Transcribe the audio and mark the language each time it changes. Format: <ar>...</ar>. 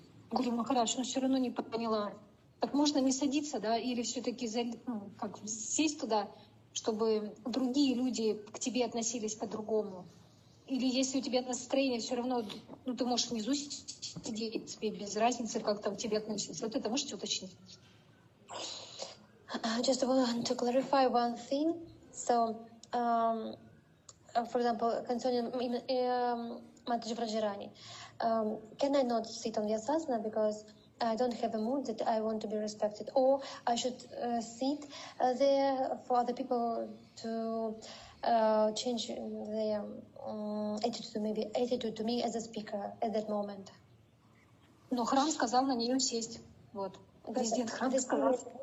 <ru>Гуру Махарадж, но все равно не поняла. Так можно не садиться, да, или все-таки как сесть туда, чтобы другие люди к тебе относились по-другому? Или если у тебя настроение, все равно ты можешь внизу сидеть, тебе без разницы, как там к тебе относится. Вот это можете уточнить?</ru> <en>Just want to clarify one thing. So, for example, concerning Mataji Vrajarani, can I not sit on Vyasasana because I don't have a mood that I want to be respected, or I should sit there for other people to change their attitude to me as a speaker at that moment? No,</en> <ru>храм сказал на нее сесть. Вот. Президент храма сказал.</ru>